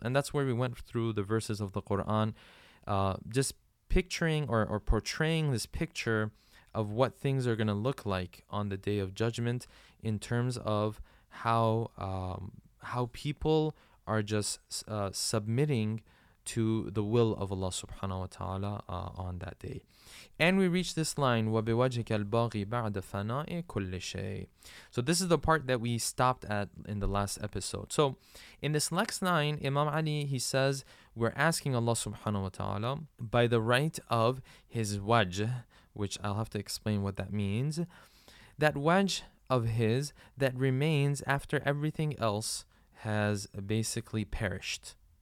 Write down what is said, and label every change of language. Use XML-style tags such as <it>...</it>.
<en>And that's where we went through the verses of the Quran, just picturing or portraying this picture of what things are going to look like on the Day of Judgment in terms of how people are just submitting to the will of Allah subhanahu wa ta'ala on that day. And we reach this line,</en> <ar>وَبِوَجْهِكَ الْبَغِي بَعْدَ فَنَاءِ كُلِّ شَيْءٍ.</ar> <en>So this is the part that we stopped at in the last episode. So in this next line, Imam Ali, he says, we're asking Allah subhanahu wa ta'ala by the right of his wajh, which I'll have to explain what that means, that wajh of his that remains after everything else has basically perished.</en>